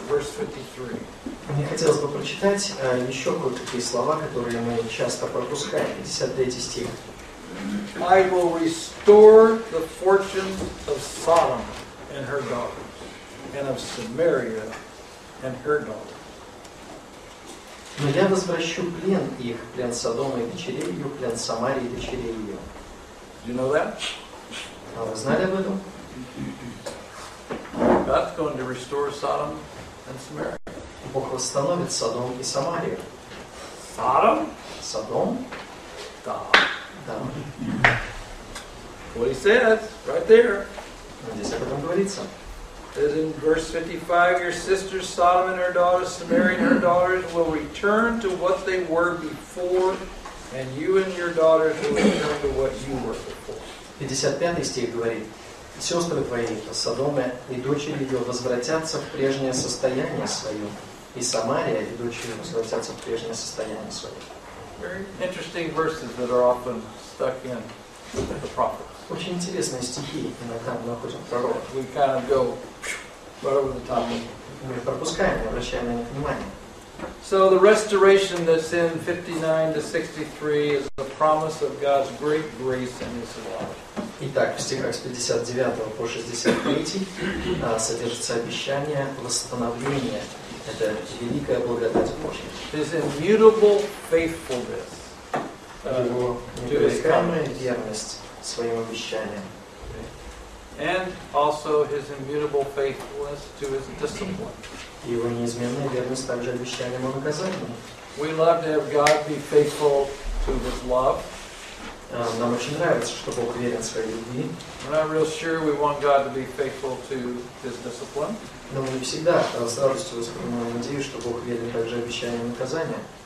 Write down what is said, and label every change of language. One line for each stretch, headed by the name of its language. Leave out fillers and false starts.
English: Verse 53.
Russian: Мне хотелось бы прочитать еще кое-какие слова, которые мы часто пропускаем. 53 стих.
English: I will restore the fortunes of Sodom and her daughters, and of Samaria and her daughters.
Russian: Но я возвращу плен их, плен Содома и дочерей ее, плен Самарии и дочерей ее.
English: You know that?
Russian: А вы знали об этом?
English: God's going to restore Sodom and Samaria.
Russian: Бог восстановит Содом и Самарию.
English: Sodom?
Russian: Содом? Да. Да.
English: What he says, right there.
Russian: Здесь об этом говорится.
English: As in verse 55, your sisters Sodom and her daughters, Samaria and her daughters will return to what they were before, and you and your daughters will return to what you were before.
Russian: 55 стих говорит, сестры твои, Содома и дочери ее, возвратятся в прежнее состояние свое, и Самария и дочери возвратятся в прежнее состояние свое.
English: Very interesting verses that are often stuck in the prophets.
Russian: Очень интересные стихи иногда мы находим в пророках.
English: We kind of go right over the top.
Russian: Мы пропускаем, не обращаем на них внимания.
English: So the restoration that's in 59 to 63 is the promise of God's great grace and His love.
Russian: Итак, в стихах с 59 по 63 содержится обещание восстановления. Это великая благодать Божья.
English: His immutable faithfulness.
Russian: Его непрестанная верность. Своим обещанием.
English: And also his immutable faithfulness to his discipline.
Russian: Его неизменная верность также обещанием и наказанием.
English: We love to have God be faithful to his love.
Russian: Нам очень нравится, что Бог верен своей любви.
English: We're not real sure we want God to be faithful to his discipline.
Russian: Но мы не всегда с радостью воспринимаем идею, что Бог верен также обещанием и наказанием.